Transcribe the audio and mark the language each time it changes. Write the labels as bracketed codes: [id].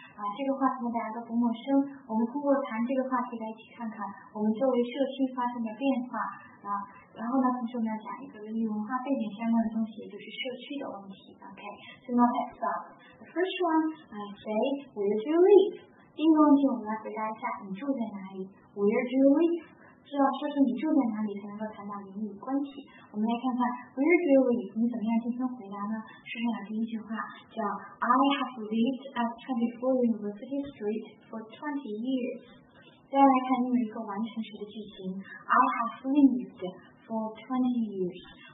[zh] 啊，这个话题呢大家都不陌生，我们通过谈这个话题来一起看看我们周围社区发生的变化。啊，然后呢，同时我们要讲一个跟文化背景相关的东西，也就是社区的问题。 [en] OK， so now next up, the first one, say where do you live? [zh] 第一个问题，我们来回答一下，你住在哪里 ？ [en] Where do you live？ [zh] 知道说出你住在哪里，才能够谈到邻里关系。我们来看看 ， [en] Where do you live？ [zh] 你怎么样进行回答呢？说上第一句话，叫 [en] I have lived at 24 University Street for 20 years。 [zh] 再来看另一个完全时的句型 ， [en] I have lived for 20 years。